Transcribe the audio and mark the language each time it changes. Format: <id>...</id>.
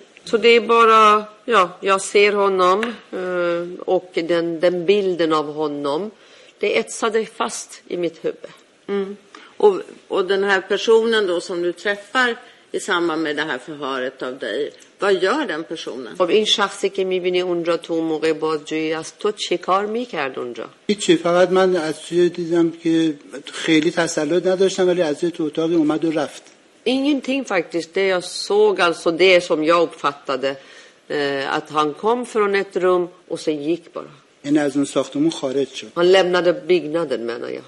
<sv>Så det är bara, ja, jag ser honom och den bilden av honom, det etsade fast i mitt huvud. Mm. Och den här personen då som du träffar i samband med det här förhöret av dig... Vad gör den personen?</sv> <fa>Av en شخصی که می‌بینی اونجا تو موقع بازجویی است، تو چه کار می‌کرد اونجا؟ هیچی، فقط من از توی دیدم که خیلی تسلط نداشتم ولی از تو اتاق اومد و رفت.</fa> <sv>Ingenting faktiskt. Det jag såg, alltså det som jag uppfattade att han kom från ett rum och sen gick bara.</sv> <fa>En av de ساختمون خارج شد.</fa> <sv>Han lämnade byggnaden menar jag.</sv>